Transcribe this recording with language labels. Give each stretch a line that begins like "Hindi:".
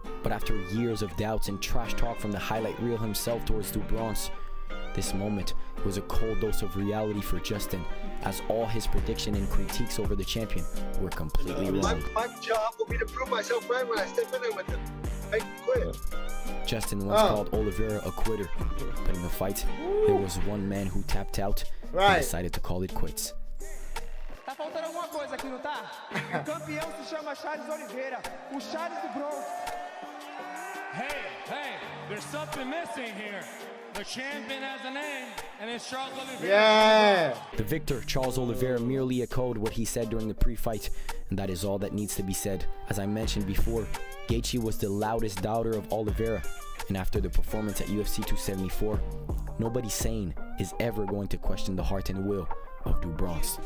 English: But after years of doubts and trash talk from the highlight reel himself towards DuBronx, this moment was a cold dose of reality for Justin, as all his prediction and critiques over the champion were completely wrong. My job will be to prove myself right when I step in there with him. I quit. Justin once called Oliveira a quitter, but in the fight, there was one man who tapped out and decided to call it quits.
Portuguese: Tá faltando alguma coisa aqui, não tá? O campeão se chama Charles Oliveira, o Charles do Bronx.
English: Hey, there's something missing here. The champion has a name, and it's Charles Oliveira. Yeah! The victor, Charles Oliveira, merely echoed what he said during the pre-fight, and that is all that needs to be said. As I mentioned before, Gaethje was the loudest doubter of Oliveira, and after the performance at UFC 274, nobody sane is ever going to question the heart and will of DuBronx.